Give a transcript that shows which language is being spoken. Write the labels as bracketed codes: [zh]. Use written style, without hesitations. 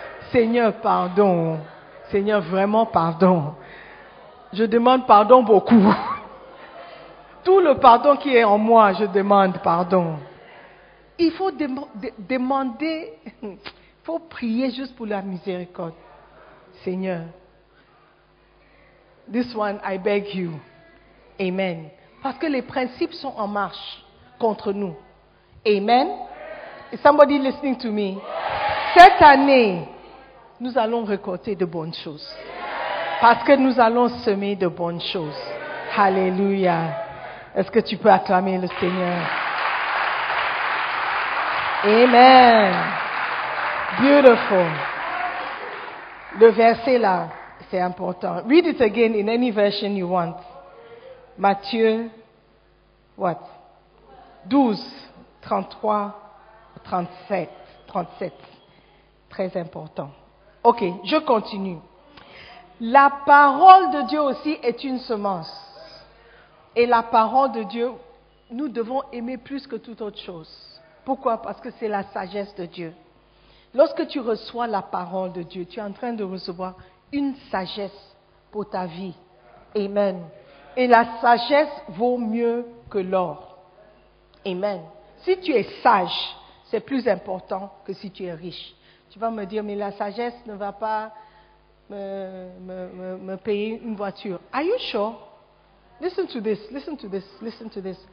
[fr] Seigneur, pardon. Seigneur, vraiment pardon. Je demande pardon beaucoup. Tout le pardon qui est en moi, je demande pardon. Il faut demander, il faut prier juste pour la miséricorde. [en] Seigneur, this one, I beg you. Amen. [fr] Parce que les principes sont en marche contre nous. Amen. [en] Is somebody listening to me? [fr] Cette année, nous allons récolter de bonnes choses. Parce que nous allons semer de bonnes choses. Alléluia. Est-ce que tu peux acclamer le Seigneur? Amen. Beautiful. Le verset là, c'est important. [en] Read it again in any version you want. [fr] Matthieu, what? 12, 33, 37. 37. Très important. Ok, je continue. La parole de Dieu aussi est une semence. Et la parole de Dieu, nous devons aimer plus que toute autre chose. Pourquoi? Parce que c'est la sagesse de Dieu. Lorsque tu reçois la parole de Dieu, tu es en train de recevoir une sagesse pour ta vie. Amen. Et la sagesse vaut mieux que l'or. Amen. Si tu es sage, c'est plus important que si tu es riche. Tu vas me dire, mais la sagesse ne va pas me payer une voiture. [en] Are you sure? Listen to this, listen to this, listen to this.